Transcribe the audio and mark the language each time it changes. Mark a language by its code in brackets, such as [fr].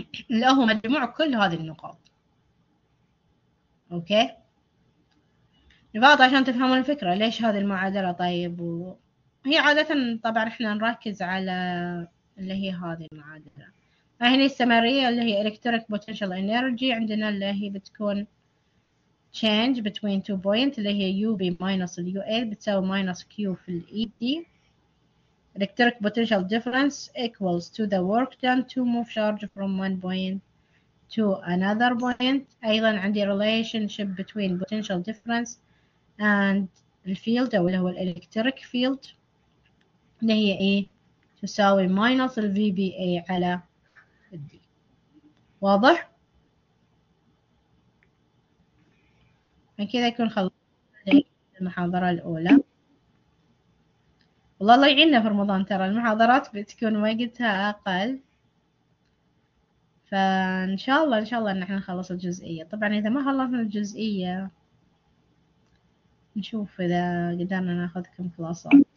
[ar] اللي هو مجموع كل هذه النقاط، أوكي؟ نفاض عشان تفهموا الفكرة، ليش هذه المعادلة طيب؟ وهي عادةً طبعاً إحنا نركز على اللي هي هذه المعادلة، فهني السمارية اللي هي electric potential energy عندنا اللي هي بتكون change between two points اللي هي UB minus UA بتساوي minus Q في الـ ED. [en] Electric potential difference equals to the work done to move charge from one point to another point. [ar] أيضا عندي [en] relationship between potential difference and field [ar] أو اللي هو [en] electric field [ar] اللي هي E تساوي [en] minus VBA على D. [ar] واضح؟ كذا يكون خلصنا المحاضرة الأولى. والله الله يعيننا في رمضان، ترى المحاضرات بتكون وقتها أقل، فان شاء الله ان شاء الله ان احنا نخلص الجزئية. طبعا اذا ما خلصنا الجزئية نشوف اذا قدرنا ناخذكم كلاسات.